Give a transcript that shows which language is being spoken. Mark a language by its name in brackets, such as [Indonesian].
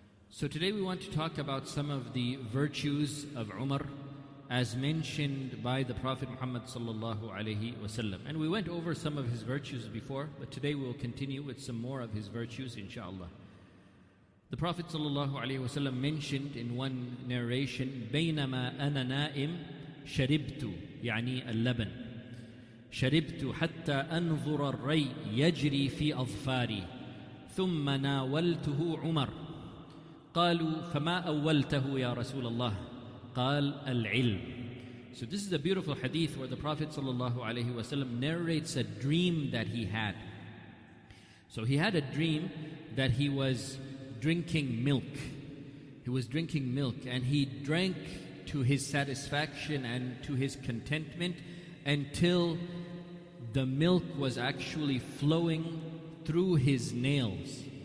[English] So today we want to talk about some of the virtues of Umar as mentioned by the Prophet Muhammad sallallahu alayhi wasallam. And we went over some of his virtues before, but today we will continue with some more of his virtues inshallah. The Prophet sallallahu alayhi wasallam mentioned in one narration, [Arabic] بَيْنَمَا أَنَا نَائِمْ شَرِبْتُ يعني اللَّبَنْ شَرِبْتُ حَتَّى أَنْظُرَ الرَّيْءِ يَجْرِي فِي أَظْفَارِي ثُمَّ نَاوَلْتُهُ عُمَرُ قَالُوا فَمَا أَوَّلْتَهُ يَا رَسُولَ اللَّهِ قَالَ الْعِلْمِ. [English] So this is a beautiful hadith where the Prophet sallallahu alayhi wasallam narrates a dream that he had. So he had a dream that he was drinking milk. He was drinking milk and he drank to his satisfaction and to his contentment until the milk was actually flowing through his nails.